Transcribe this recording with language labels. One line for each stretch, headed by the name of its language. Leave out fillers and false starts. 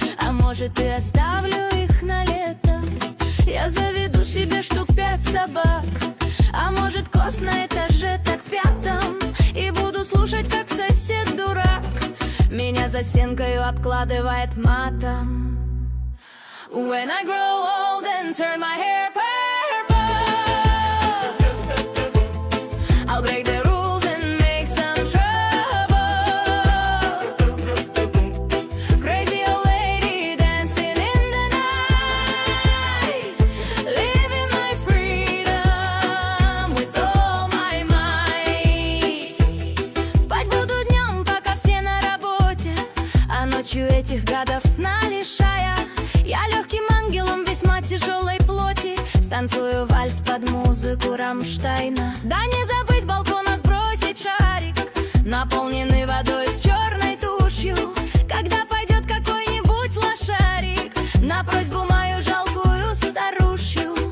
Russian: А может, и оставлю их на лето. Я заведу себе штук пять собак. А может, кос на этаже так пятом. И буду слушать, как сосед дурак меня за стенкою обкладывает матом.
English: When I grow old and turn my hair purple, I'll break the rules and make some trouble. Crazy old lady dancing in the night, living my freedom with all my might.
Russian: Спать буду днем, пока все на работе, а ночью этих гадов сна лишая. Я легким ангелом весьма тяжелой плоти станцую вальс под музыку Рамштайна. Да не забыть балкона сбросить шарик, наполненный водой с черной тушью, когда пойдет какой-нибудь лошарик на просьбу мою жалкую старушью.